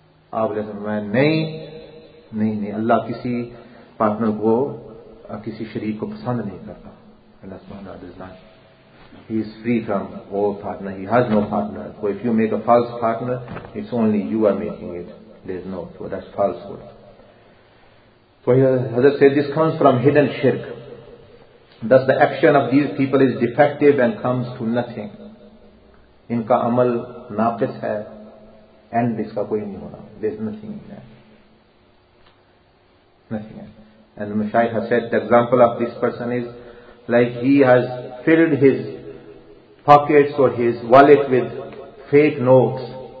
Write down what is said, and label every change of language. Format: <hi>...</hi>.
<ur>آپ اللہ سے فرمایا نہیں, نہیں نہیں, اللہ کسی پارٹنر کو, کسی شریک کو پسند نہیں کرتا.</ur> <en>اللہ سبحانہ وتعالیٰ, he is free from all partner, he has no partner. So if you make a false partner, it's only you are making it, there is no, so that's falsehood. So</en> <ur>حضرت سے</ur> <en>This comes from hidden شرک. This the action of these people is defective and comes to nothing.</en> <ur>ان کا عمل ناقص ہے,</ur> <en>and</en> <ur>اس کا کوئی نہیں ہونا,</ur> <en>There is nothing, nothing. And Mashaykh has said the example of this person is like he has filled his pockets or his wallet with fake notes.</en>